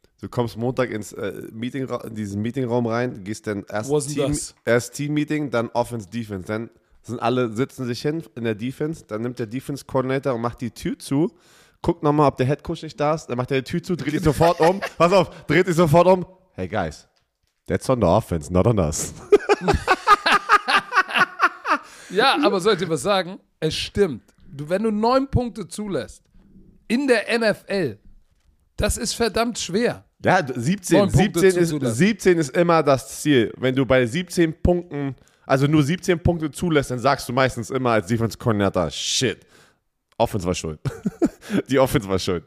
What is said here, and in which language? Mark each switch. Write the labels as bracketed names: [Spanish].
[German] Du kommst Montag ins Meetingraum rein, gehst dann erst Team-Meeting, dann Offense-Defense. Dann sind alle sitzen sich hin in der Defense, dann nimmt der Defense-Coordinator und macht die Tür zu, guckt nochmal, ob der Head-Coach nicht da ist, dann macht er die Tür zu, dreht sich sofort um, pass auf, dreht sich sofort um. [English] Hey guys, that's on the offense, not on us. [German] Ja, aber soll ich dir was sagen? Es stimmt. Wenn du 9 Punkte zulässt in der NFL, das ist verdammt schwer. Ja, 17 ist immer das Ziel. Wenn du bei 17 Punkten, also nur 17 Punkte zulässt, dann sagst du meistens immer als Defense-Coordinator, shit, Offense war schuld. Die Offense war schuld.